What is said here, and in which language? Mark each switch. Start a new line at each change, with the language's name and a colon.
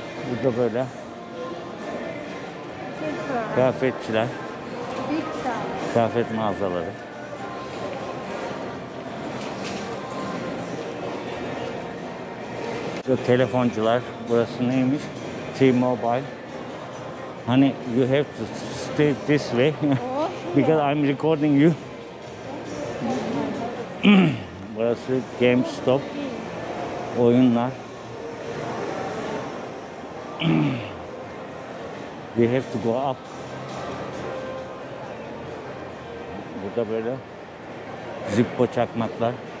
Turkish: Burada böyle kıyafetçiler, kıyafet mağazaları. Şu telefoncular, burası neymiş? T-Mobile.
English: Honey, you have to stay this way because I'm recording you.
Turkish: Burası GameStop, oyunlar.
English: We have to go up.
Turkish: Burada böyle Zippo çakmaklar.